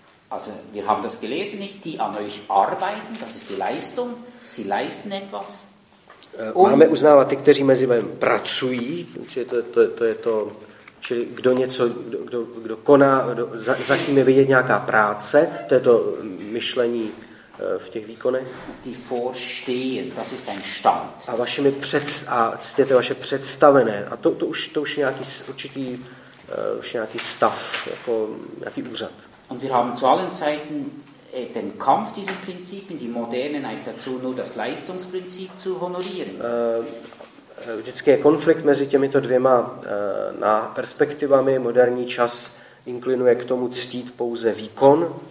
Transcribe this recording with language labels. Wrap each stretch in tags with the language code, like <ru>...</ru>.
<de>Also, wir haben das gelesen, nicht? Die an euch arbeiten, das ist die Leistung, sie leisten etwas.</de> <cs>Máme uznávat ty, kteří mezi vámi pracují, čili to je to, čili kdo něco, kdo koná, za kým je vidět nějaká práce, to je to myšlení v těch výkonech.</cs> <de>Die vorstehen, das ist ein Stand.</de> <cs>A vašimi a ctěte vaše představené, a to už je nějaký určitý už nějaký stav, jako nějaký úřad.</cs> <de>Und wir haben zu allen Zeiten den Kampf diesen Prinzipien, die Moderne neigt dazu, nur das Leistungsprinzip zu honorieren.</de> <cs>Vždycky je konflikt mezi těmito dvěma perspektivami. Moderní čas inklinuje k tomu ctít pouze výkon.</cs>